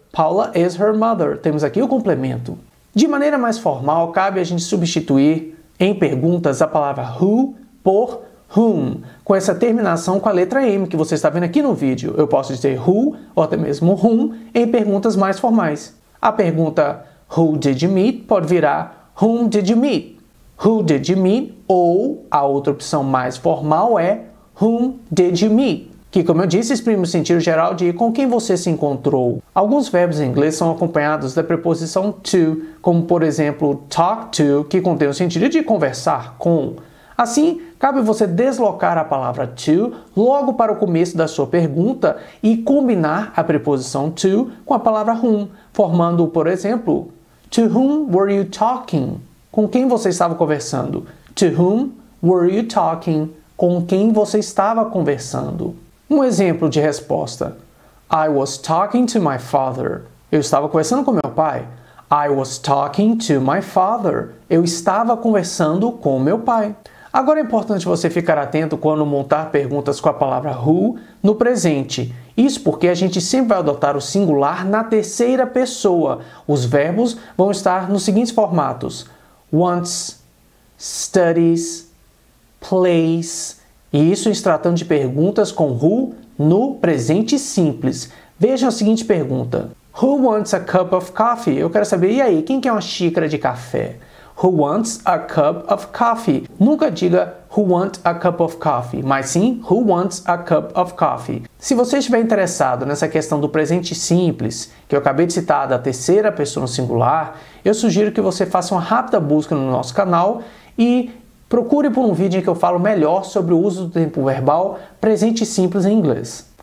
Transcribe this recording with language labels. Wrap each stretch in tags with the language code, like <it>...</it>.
<en>Paula is her mother.</en> <pt>Temos aqui o complemento. De maneira mais formal, cabe a gente substituir em perguntas a palavra who por whom, com essa terminação com a letra M que você está vendo aqui no vídeo. Eu posso dizer who ou até mesmo whom em perguntas mais formais. A pergunta</pt> <en>who did you meet</en> <pt>pode virar</pt> <en>whom did you meet? Who did you meet?</en> <pt>Ou a outra opção mais formal é</pt> <en>whom did you meet?</en> <pt>Que, como eu disse, exprime o sentido geral de com quem você se encontrou. Alguns verbos em inglês são acompanhados da preposição to, como por exemplo talk to, que contém o sentido de conversar com. Assim, cabe você deslocar a palavra to logo para o começo da sua pergunta e combinar a preposição to com a palavra whom, formando, por exemplo,</pt> <en>to whom were you talking?</en> <pt>Com quem você estava conversando?</pt> <en>To whom were you talking?</en> <pt>Com quem você estava conversando? Um exemplo de resposta.</pt> <en>I was talking to my father.</en> <pt>Eu estava conversando com meu pai.</pt> <en>I was talking to my father.</en> <pt>Eu estava conversando com meu pai. Agora é importante você ficar atento quando montar perguntas com a palavra who no presente. Isso porque a gente sempre vai adotar o singular na terceira pessoa. Os verbos vão estar nos seguintes formatos. Wants, studies, plays. E isso em se tratando de perguntas com who no presente simples. Veja a seguinte pergunta.</pt> <en>Who wants a cup of coffee?</en> <pt>Eu quero saber, e aí, quem quer uma xícara de café?</pt> <en>Who wants a cup of coffee?</en> <pt>Nunca diga</pt> <en>who want a cup of coffee,</en> <pt>mas sim</pt> <en>who wants a cup of coffee.</en> <pt>Se você estiver interessado nessa questão do presente simples, que eu acabei de citar da terceira pessoa no singular, eu sugiro que você faça uma rápida busca no nosso canal e procure por um vídeo em que eu falo melhor sobre o uso do tempo verbal presente simples em inglês.</pt>